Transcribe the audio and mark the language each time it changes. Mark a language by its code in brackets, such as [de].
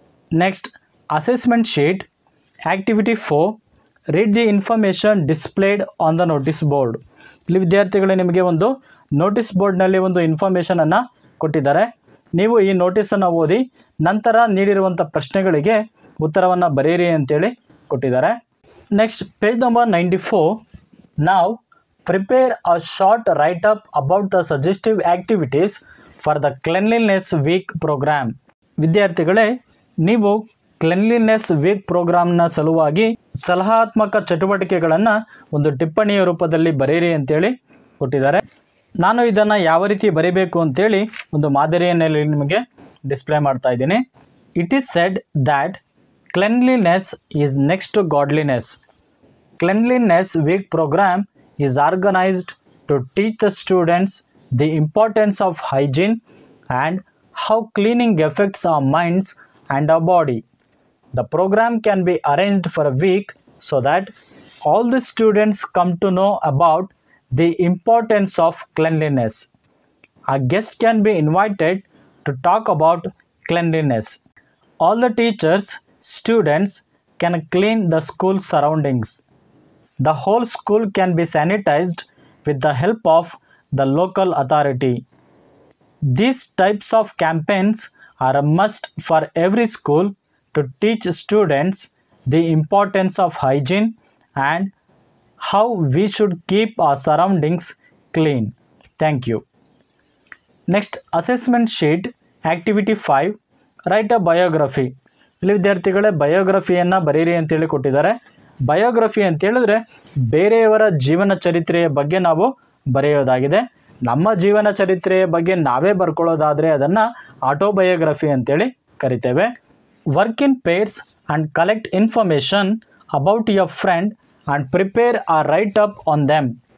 [en] Next assessment sheet activity 4, read the information displayed on the notice board. [kn] ಇಲ್ಲಿ ವಿದ್ಯಾರ್ಥಿಗಳೇ ನಿಮಗೆ ಒಂದು ನೋಟಿಸ್ ಬೋರ್ಡ್ನಲ್ಲಿ ಒಂದು ಇನ್ಫಾರ್ಮೇಷನನ್ನು ಕೊಟ್ಟಿದ್ದಾರೆ. ನೀವು ಈ ನೋಟಿಸನ್ನು ಓದಿ ನಂತರ ನೀಡಿರುವಂಥ ಪ್ರಶ್ನೆಗಳಿಗೆ ಉತ್ತರವನ್ನು ಬರೀರಿ ಅಂತೇಳಿ ಕೊಟ್ಟಿದ್ದಾರೆ. [en] next page number 94, [kn] ನಾವು [en] prepare a short write-up about the suggestive activities for the cleanliness week program. [kn] ವಿದ್ಯಾರ್ಥಿಗಳೇ, ನೀವು ಕ್ಲೆನ್ಲಿನೆಸ್ ವೀಕ್ ಪ್ರೋಗ್ರಾಂನ ಸಲುವಾಗಿ ಸಲಹಾತ್ಮಕ ಚಟುವಟಿಕೆಗಳನ್ನು ಒಂದು ಟಿಪ್ಪಣಿಯ ರೂಪದಲ್ಲಿ ಬರೀರಿ ಅಂತೇಳಿ ಕೊಟ್ಟಿದ್ದಾರೆ. ನಾನು ಇದನ್ನು ಯಾವ ರೀತಿ ಬರೀಬೇಕು ಅಂತೇಳಿ ಒಂದು ಮಾದರಿಯನ್ನೆಲ್ಲ ನಿಮಗೆ ಡಿಸ್ಪ್ಲೇ ಮಾಡ್ತಾ ಇದ್ದೀನಿ. [en] It is said that cleanliness is next godliness. Cleanliness week program is organised to teach the students the importance of hygiene and how cleaning effects our minds and our body. The program can be arranged for a week so that all the students come to know about the importance of cleanliness. A guest can be invited to talk about cleanliness. All the teachers students can clean the school surroundings. The whole school can be sanitised with the help of the local authority. These types of campaigns are a must for every school to teach students the importance of hygiene and how we should keep our surroundings clean. Thank you. Next, assessment sheet, activity 5, write a biography. [kn] ಇಲ್ಲಿ ವಿದ್ಯಾರ್ಥಿಗಳೇ ಬಯೋಗ್ರಫಿಯನ್ನು ಬರೀರಿ ಅಂತೇಳಿ ಕೊಟ್ಟಿದ್ದಾರೆ. Biography ಅಂತ ಹೇಳಿದ್ರೆ ಬೇರೆಯವರ ಜೀವನ ಚರಿತ್ರೆಯ ಬಗ್ಗೆ ನಾವು ಬರೆಯೋದಾಗಿದೆ. ನಮ್ಮ ಜೀವನ ಚರಿತ್ರೆಯ ಬಗ್ಗೆ ನಾವೇ ಬರ್ಕೊಳ್ಳೋದಾದರೆ ಅದನ್ನು ಆಟೋಬಯೋಗ್ರಫಿ ಅಂತೇಳಿ ಕರಿತೇವೆ. [en] Work in pairs and collect information about your friend and prepare a write up on them.